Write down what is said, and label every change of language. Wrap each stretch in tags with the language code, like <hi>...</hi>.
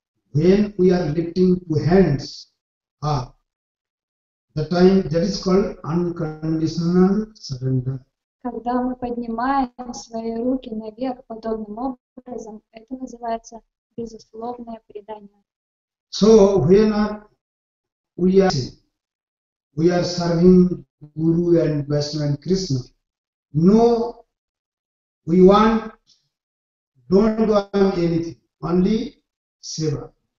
<en>When we are lifting two hands up, the time that is called unconditional surrender.</en> <ru>Когда мы поднимаем свои руки наверх подобным образом, это называется безусловное предание.</ru> <en>So when we are serving Guru and Vaishnava and Krishna, no, we want, don't want anything, only seva.</en>